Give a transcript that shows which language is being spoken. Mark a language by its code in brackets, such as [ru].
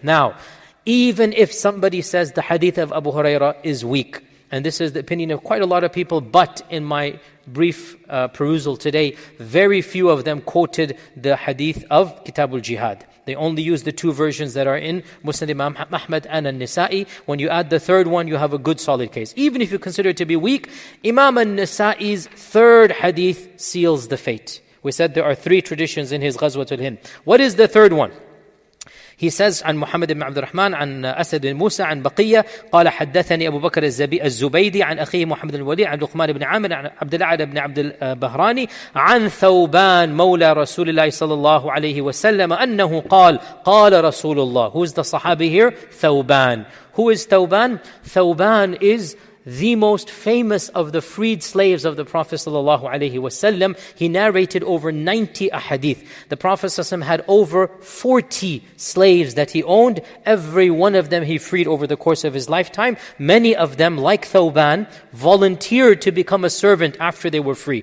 [en] Now, even if somebody says the hadith of Abu Hurairah is weak, and this is the opinion of quite a lot of people, but in my brief perusal today, very few of them quoted the hadith of Kitabul Jihad. They only use the two versions that are in Musnad Imam Ahmad and An-Nisa'i. When you add the third one, you have a good solid case. Even if you consider it to be weak, Imam An-Nisa'i's third hadith seals the fate. We said there are three traditions in his Ghazwatul Hind. What is the third one? He says, [ar] عن محمد بن عبد الرحمن عن أسد بن موسى عن بقية قال حدثني أبو بكر الزبيدي عن أخيه محمد الولي عن لقمان بن عامر عن عبد الأعلى بن عبد البهراني عن ثوبان مولى رسول الله صلى الله عليه وسلم أنه قال قال رسول الله. [en] Who is the Sahabi here? ثوبان. Who is ثوبان? ثوبان is the most famous of the freed slaves of the Prophet sallallahu alaihi wasallam. He narrated over 90 ahadith. The Prophet sallallahu alaihi wasallam had over 40 slaves that he owned. Every one of them he freed over the course of his lifetime. Many of them, like Thawban, volunteered to become a servant after they were free.